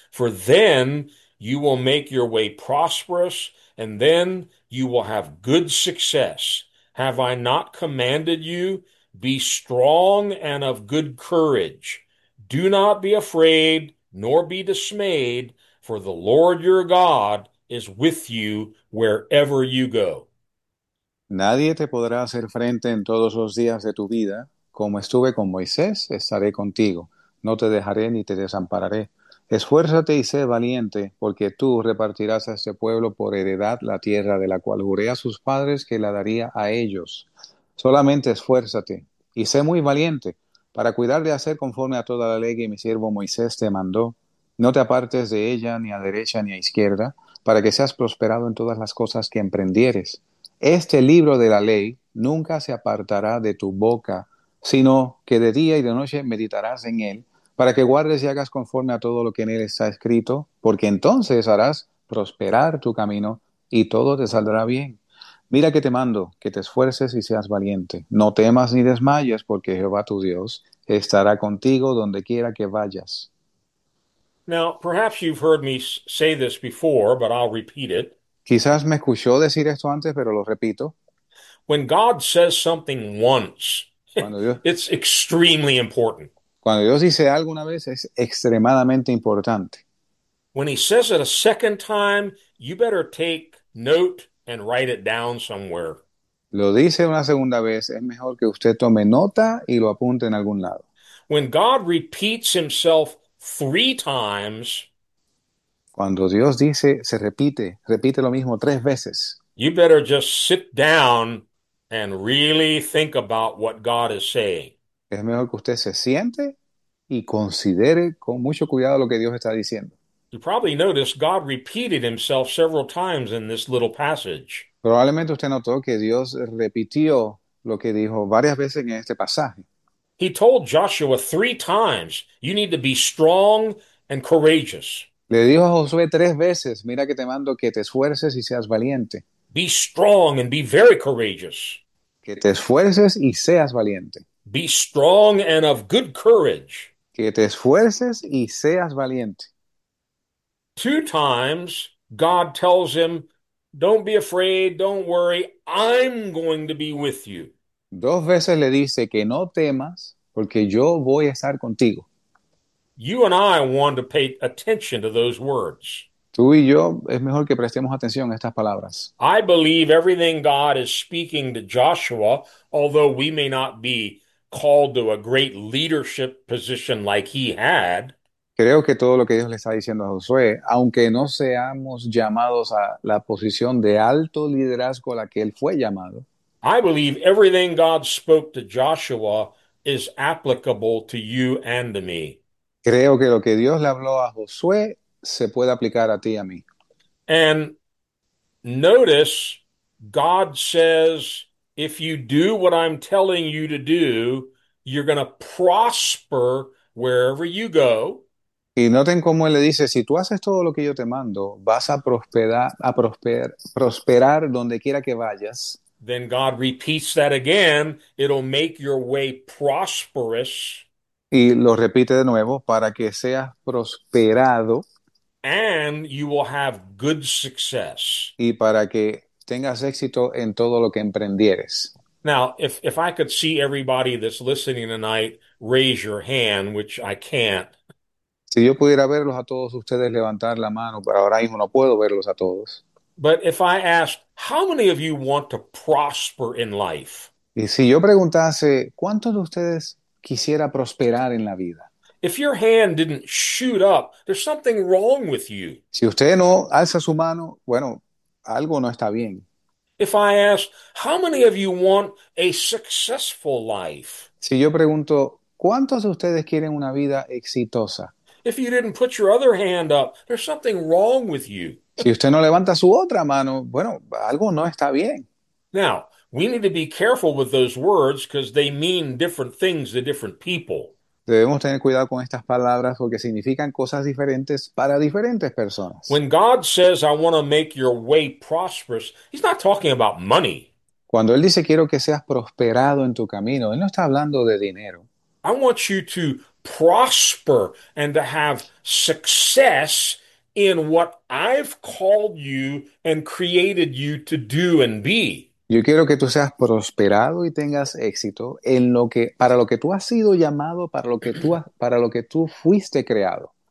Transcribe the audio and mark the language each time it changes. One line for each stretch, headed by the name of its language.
English: For then you will make your way prosperous, and then you will have good success. Have I not commanded you? Be strong and of good courage. Do not be afraid nor be dismayed, for the Lord your God is with you wherever you go.
Spanish: Nadie te podrá hacer frente en todos los días de tu vida. Como estuve con Moisés, estaré contigo. No te dejaré ni te desampararé. Esfuérzate y sé valiente, porque tú repartirás a este pueblo por heredad la tierra de la cual juré a sus padres que la daría a ellos. Solamente esfuérzate y sé muy valiente para cuidar de hacer conforme a toda la ley que mi siervo Moisés te mandó. No te apartes de ella ni a derecha ni a izquierda, para que seas prosperado en todas las cosas que emprendieres. Este libro de la ley nunca se apartará de tu boca, sino que de día y de noche meditarás en él, para que guardes y hagas conforme a todo lo que en él está escrito, porque entonces harás prosperar tu camino y todo te saldrá bien. Mira que te mando que te esfuerces y seas valiente. No temas ni desmayes, porque Jehová tu Dios estará contigo donde quiera que vayas.
English: Now, perhaps you've heard me say this before, but I'll repeat it.
Spanish: Quizás me escuchó decir esto antes, pero lo repito.
English: When God says something once, it's extremely important.
Spanish: Cuando Dios dice algo una vez, es extremadamente importante.
English: When he says it a second time, you better take note and write it down somewhere.
Spanish: Lo dice una segunda vez, es mejor que usted tome nota y lo apunte en algún lado.
English: When God repeats himself three times,
Spanish: Cuando Dios dice, se repite, repite lo mismo 3 veces.
English: you better just sit down and really think about what God is saying.
Spanish: Es mejor que usted se siente y considere con mucho cuidado lo que Dios está diciendo.
English: You probably noticed God repeated himself several times in this little passage.
Spanish: Probablemente usted notó que Dios repitió lo que dijo varias veces en este pasaje.
English: He told Joshua three times, you need to be strong and courageous.
Spanish: Le dijo a Josué 3 veces, mira que te mando que te esfuerces y seas valiente.
English: Be strong and be very courageous.
Spanish: Que te esfuerces y seas valiente.
English: Be strong and of good courage.
Spanish: Que te esfuerces y seas valiente.
English: Two times, God tells him, don't be afraid, don't worry, I'm going to be with you.
Spanish: 2 veces le dice que no temas porque yo voy a estar contigo.
English: You and I want to pay attention to those words.
Spanish: Tú y yo es mejor que prestemos atención a estas palabras.
English: I believe everything God is speaking to Joshua, although we may not be called to a great leadership position like he had.
Spanish: Creo que todo lo que Dios le está diciendo a Josué, aunque no seamos llamados a la posición de alto liderazgo a la que él fue llamado,
English: I believe everything God spoke to Joshua is applicable to you and to me.
Spanish: creo que lo que Dios le habló a Josué se puede aplicar a ti y a mí.
English: And notice, God says, if you do what I'm telling you to do, you're going to prosper wherever you go.
Spanish: Y noten cómo él le dice, si tú haces todo lo que yo te mando, vas a prosperar, prosperar donde quiera que vayas.
English: Then God repeats that again. It'll make your way prosperous.
Spanish: Y lo repite de nuevo para que seas prosperado
English: And you will have good success.
Spanish: y para que tengas éxito en todo lo que emprendieres.
English: Now, if I could see everybody that's listening tonight, raise your hand, which I can't.
Spanish: Si yo pudiera verlos a todos ustedes levantar la mano, pero ahora mismo no puedo verlos a todos.
English: But if I asked, how many of you want to prosper in life?
Spanish: Y si yo preguntase, ¿cuántos de ustedes quisiera prosperar en la vida?
English: If your hand didn't shoot up, there's something wrong with you.
Spanish: Si usted no alza su mano, bueno, algo no está bien.
English: If I ask, how many of you want a successful life?
Spanish: Si yo pregunto, ¿cuántos de ustedes quieren una vida exitosa?
English: If you didn't put your other hand up, there's something wrong with you.
Spanish: Si usted no levanta su otra mano, bueno, algo no está bien.
English: Now, we need to be careful with those words because they mean different things to different people.
Spanish: Debemos tener cuidado con estas palabras porque significan cosas diferentes para diferentes personas.
English: When God says, I want to make your way prosperous, he's not talking about money.
Spanish: Cuando Él dice quiero que seas prosperado en tu camino, Él no está hablando de dinero.
English: I want you to prosper and to have success in what I've called you and created you to do and be.
Spanish: Yo quiero que tú seas prosperado y tengas éxito en lo que, para lo que tú has sido llamado, para lo que tú fuiste creado.